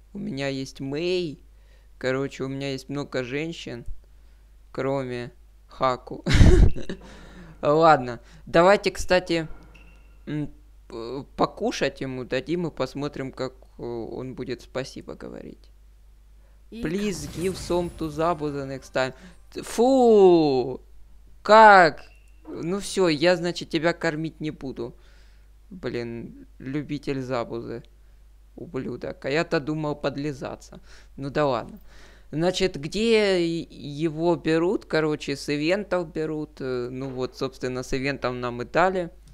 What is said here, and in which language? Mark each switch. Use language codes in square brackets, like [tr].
[ru] У меня есть Мэй. Короче, у меня есть много женщин. Кроме Хаку. Ладно. Давайте, кстати, покушать ему дадим и посмотрим, как он будет спасибо говорить. [en] Please give some to Zabu the next time. [ru] Фу! Как? Ну все, я, значит, тебя кормить не буду. Блин, любитель Забузы. Ублюдок. А я-то думал подлизаться. Ну да ладно. Значит, где его берут? Короче, с ивентов берут. Ну вот, собственно, с ивентов нам и дали.